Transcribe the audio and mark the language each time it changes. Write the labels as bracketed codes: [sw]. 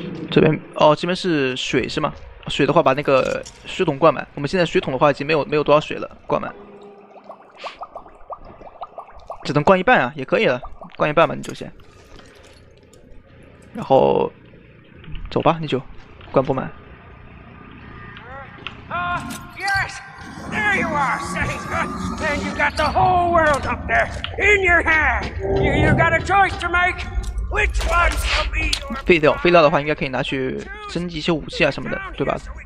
[zh] 这边，哦，这边是水是吗？水的话把那个水桶灌满，我们现在水桶的话已经没有多少水了，灌满只能灌一半啊，也可以了，灌一半吧，你就先然后走吧，你就灌不满。啊，耶， [en] Yes! There you are, Saint! And you got the whole world up there in your hand! You got a choice to make! Which one shall be your... [zh] 废料的话应该可以拿去升级一些武器啊什么的，对吧？